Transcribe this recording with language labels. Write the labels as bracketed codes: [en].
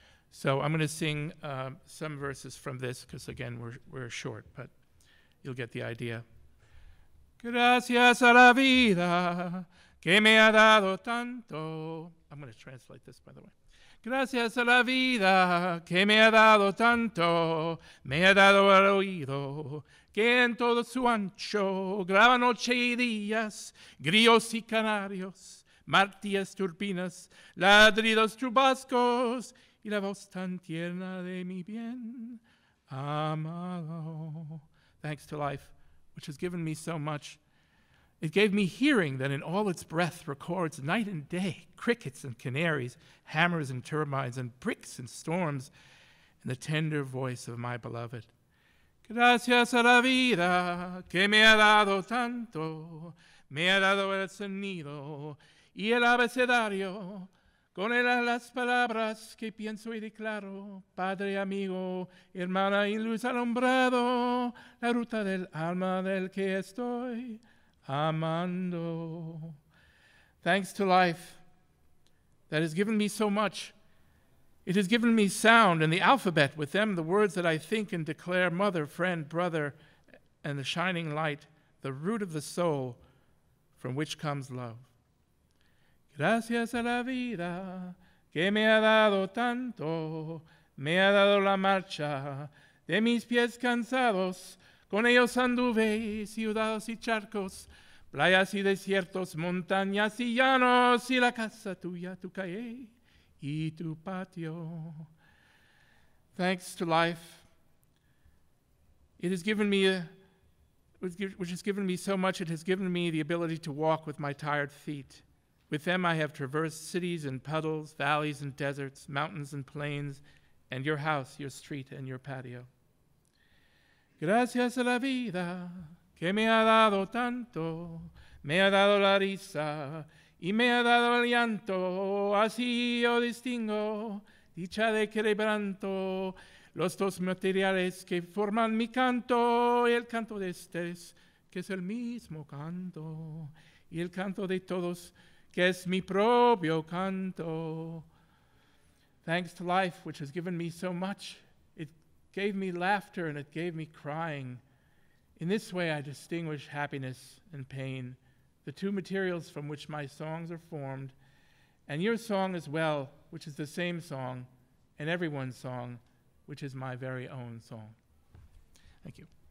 [en] So I'm going to sing some verses from this, because again, we're short, but you'll get the idea. [es] Gracias a la vida que me ha dado tanto. [en] I'm going to translate this, by the way. [es] Gracias a la vida que me ha dado tanto. Me ha dado el oído que en todo su ancho graba noche y días, grillos y canarios, martillas turbinas, ladridos chubascos y la voz tan tierna de mi bien amado. [en] Thanks to life, which has given me so much. It gave me hearing that in all its breath records night and day, crickets and canaries, hammers and turbines, and bricks and storms, and the tender voice of my beloved. [es] Gracias a la vida que me ha dado tanto, me ha dado el sonido y el abecedario, con las palabras que pienso y declaro, padre, amigo, hermana y luz alumbrado, la ruta del alma del que estoy amando. [en] Thanks to life that has given me so much. It has given me sound and the alphabet, with them the words that I think and declare, mother, friend, brother, and the shining light, the root of the soul from which comes love. [es] Gracias a la vida que me ha dado tanto, me ha dado la marcha de mis pies cansados, con ellos anduve ciudades y charcos, playas y desiertos, montañas y llanos, y la casa tuya, tu calle y tu patio. [en] Thanks to life, it has given me so much, the ability to walk with my tired feet. With them, I have traversed cities and puddles, valleys and deserts, mountains and plains, and your house, your street, and your patio. [es] Gracias a la vida que me ha dado tanto, me ha dado la risa y me ha dado el llanto. Así yo distingo dicha de quebranto, los dos materiales que forman mi canto, y el canto de estés, que es el mismo canto, y el canto de todos, que es mi propio canto. [en] Thanks to life, which has given me so much. It gave me laughter and it gave me crying. In this way, I distinguish happiness and pain, the two materials from which my songs are formed, and your song as well, which is the same song, and everyone's song, which is my very own song. Thank you.